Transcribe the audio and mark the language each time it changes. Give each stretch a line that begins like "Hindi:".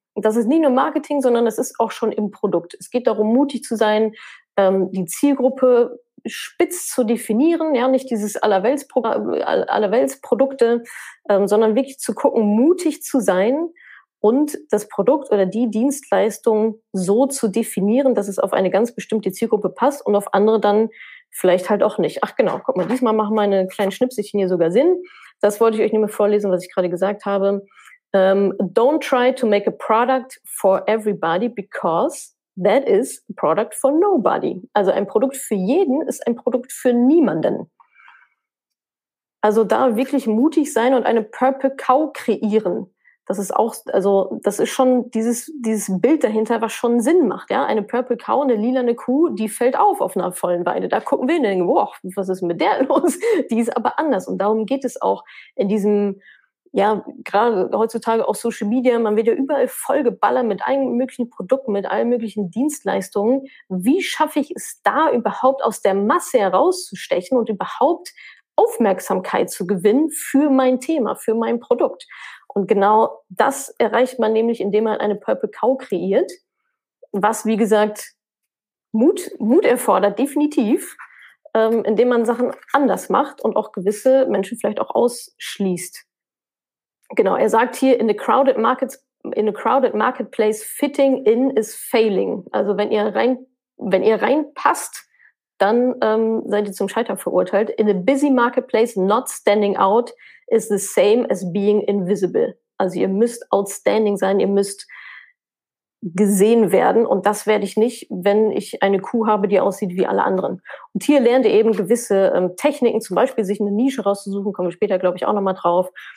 German: Das ist nicht nur Marketing, sondern es ist auch schon im Produkt. Es geht darum, mutig zu sein, die Zielgruppe spitz zu definieren, ja, nicht dieses Allerweltsprodukte, sondern wirklich zu gucken, mutig zu sein und das Produkt oder die Dienstleistung so zu definieren, dass es auf eine ganz bestimmte Zielgruppe passt und auf andere dann vielleicht halt auch nicht. Ach genau, guck mal, diesmal machen meine kleinen Schnipselchen hier sogar Sinn. Das wollte ich euch nämlich vorlesen, was ich gerade gesagt habe.
English: Don't try to make a product for everybody because that is a product for nobody.
German: Also ein Produkt für jeden ist ein Produkt für niemanden. Also da wirklich mutig sein und eine Purple Cow kreieren. Das ist auch, also das ist schon dieses Bild dahinter, was schon Sinn macht. Ja, eine Purple Cow, eine lilane Kuh, die fällt auf einer vollen Weide. Da gucken wir und denken, boah, was ist mit der los? Die ist aber anders. Und darum geht es auch in diesem, ja, gerade heutzutage auch Social Media, man wird ja überall vollgeballert mit allen möglichen Produkten, mit allen möglichen Dienstleistungen. Wie schaffe ich es da überhaupt aus der Masse herauszustechen und überhaupt Aufmerksamkeit zu gewinnen für mein Thema, für mein Produkt? Und genau das erreicht man nämlich, indem man eine Purple Cow kreiert, was, wie gesagt, Mut erfordert, definitiv, indem man Sachen anders macht und auch gewisse Menschen vielleicht auch ausschließt. Genau, er sagt hier,
English: in a crowded marketplace, fitting in is failing.
German: Also wenn ihr reinpasst, dann seid ihr zum Scheitern verurteilt.
English: In a busy marketplace, not standing out is the same as being invisible.
German: Also ihr müsst outstanding sein, ihr müsst gesehen werden. Und das werde ich nicht, wenn ich eine Kuh habe, die aussieht wie alle anderen. Und hier lernt ihr eben gewisse Techniken, zum Beispiel sich eine Nische rauszusuchen, kommen wir später, glaube ich, auch nochmal drauf.